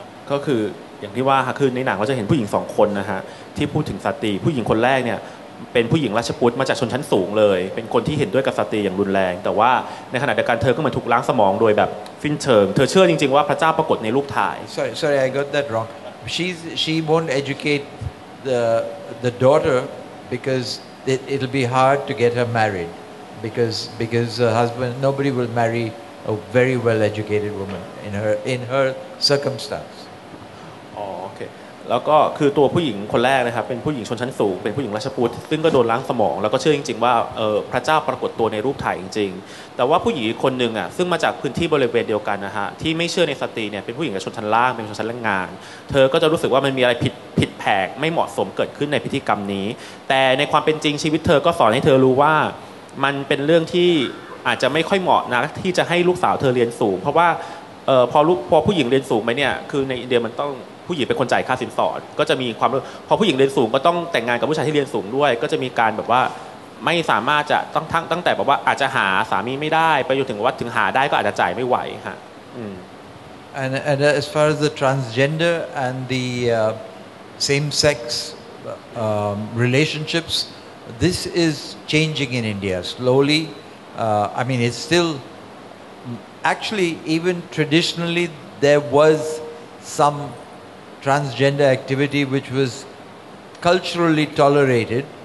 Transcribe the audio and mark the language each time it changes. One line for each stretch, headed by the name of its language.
Thai: ก็คืออย่างที่ว่าคือในหนังเราจะเห็นผู้หญิง2คนนะฮะที่พูดถึงสตรีผู้หญิงคนแรกเนี่ยเป็นผู้หญิงราชพุทธมาจากชนชั้นสูงเลยเป็นคนที่เห็นด้วยกับสตรีอย่างรุนแรงแต่ว่าในขณะเดียวกันเธอก็เหมือนถูกล้างสมองโดยแบบฟินเชิงเธอเชื่อจริงๆว่าพระเจ้าปรากฏในรูปถ่าย
English: Sorry I got that wrongShe won't educate the daughter because it'll be hard to get her married because her husband, nobody will marry a very well educated woman in her circumstance. Oh, okay.
Thai: แล้วก็คือตัวผู้หญิงคนแรกนะครับเป็นผู้หญิงชนชั้นสูงเป็นผู้หญิงราชพุทธซึ่งก็โดนล้างสมองแล้วก็เชื่อจริงๆว่าพระเจ้าปรากฏตัวในรูปถ่ายจริงๆแต่ว่าผู้หญิงคนหนึ่งอ่ะซึ่งมาจากพื้นที่บริเวณเดียวกันนะฮะที่ไม่เชื่อในสตรีเนี่ยเป็นผู้หญิงชนชั้นล่างเป็นชนชั้นแรงงานเธอก็จะรู้สึกว่ามันมีอะไรผิดแผกไม่เหมาะสมเกิดขึ้นในพิธีกรรมนี้แต่ในความเป็นจริงชีวิตเธอก็สอนให้เธอรู้ว่ามันเป็นเรื่องที่อาจจะไม่ค่อยเหมาะนะที่จะให้ลูกสาวเธอเรียนสูงเพราะว่า พอผู้หญิงเรียนสูงไปเนี่ยคือในอินเดียมันต้องผู้หญิงเป็นคนจ่ายค่าสินสอดก็จะมีความพอผู้หญิงเรียนสูงก็ต้องแต่งงานกับผู้ชายที่เรียนสูงด้วยก็จะมีการแบบว่าไม่สามารถจะตั้งแต่แบบว่าอาจจะหาสามีไม่ได้ไปจนถึงว่าถึงหาได้ก็อาจจะจ่ายไม่ไหวฮะ
English: and as far as the transgender and the same sex relationships this is changing in India slowly I mean it's still actually even traditionally there was someTransgender activity, which was culturally tolerated,